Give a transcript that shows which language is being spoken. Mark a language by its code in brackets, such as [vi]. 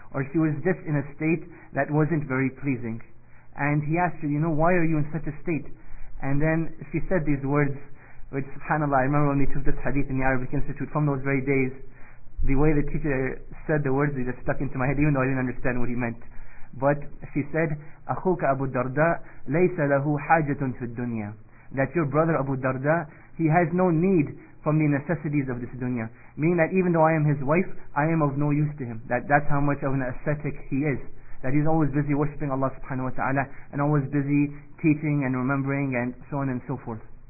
[en] Or she was just in a state that wasn't very pleasing. And he asked her, you know, why are you in such a state? And then she said these words, which subhanAllah, I remember when we took this hadith in the Arabic Institute from those very days, the way the teacher said the words, they just stuck into my head, even though I didn't understand what he meant. But she said, [ar] أَخُوكَ أَبُو الدَّرْدَى لَيْسَ لَهُ حَاجَةٌ فِي الدُّنْيَا. [en] That your brother Abu Darda, he has no need from the necessities of this dunya. Meaning that even though I am his wife, I am of no use to him. That's how much of an ascetic he is. That he's always busy worshipping Allah subhanahu wa ta'ala, and always busy teaching and remembering and so on and so forth.